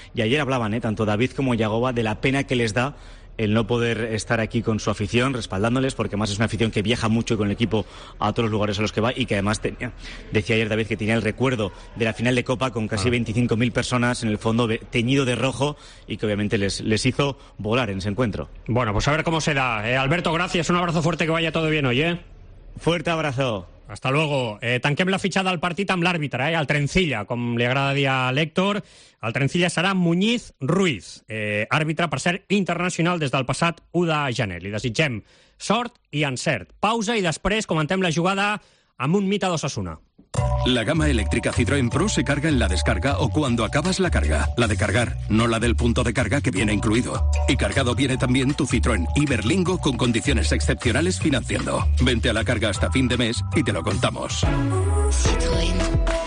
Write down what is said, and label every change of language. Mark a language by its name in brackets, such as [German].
[Spanish] Y ayer hablaban, tanto David como Yagoba, de la pena que les da el no poder estar aquí con su afición, respaldándoles, porque además es una afición que viaja mucho con el equipo a todos los lugares a los que va y que además tenía, decía ayer David, que tenía el recuerdo de la final de Copa con casi 25.000 personas en el fondo teñido de rojo y que obviamente les hizo volar en ese encuentro. Bueno, pues a ver cómo se da. Alberto, gracias, un abrazo fuerte, que vaya todo bien hoy, Fuerte abrazo. Hasta luego. [Catalan] Tanquem la fichada al partit amb l'àrbitre, al Trencilla, com li agrada dir a l'Héctor. El Trencilla serà Muñiz Ruiz, àrbitre per ser internacional des del passat 1 de gener. Li desitgem sort i encert. Pausa i després comentem la jugada amb un mite 2-1. [Spanish] La gama eléctrica Citroën Pro se carga en la descarga o cuando acabas la carga. La de cargar, no la del punto de carga que viene incluido. Y cargado viene también tu Citroën Iberlingo con condiciones excepcionales financiando. Vente a la carga hasta fin de mes y te lo contamos. Citroën.